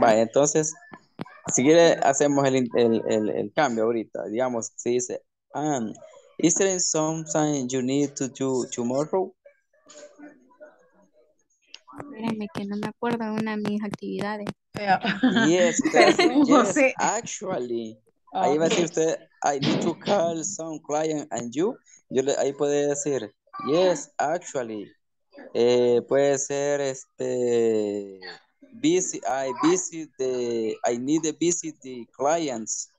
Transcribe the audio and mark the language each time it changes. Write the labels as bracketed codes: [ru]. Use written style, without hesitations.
[es] Vale, entonces, si quiere, hacemos el cambio ahorita. Digamos, se dice, [en] is there something you need to do tomorrow? [es] Espérenme, que no me acuerdo de una de mis actividades. [en] Yes, yes, yes, actually. [es] Ahí va a decir usted, [en] I need to call some client and you. [es] Yo le, ahí puede decir, [en] yes, actually. [es] Puede ser [en] busy, I need to visit the clients.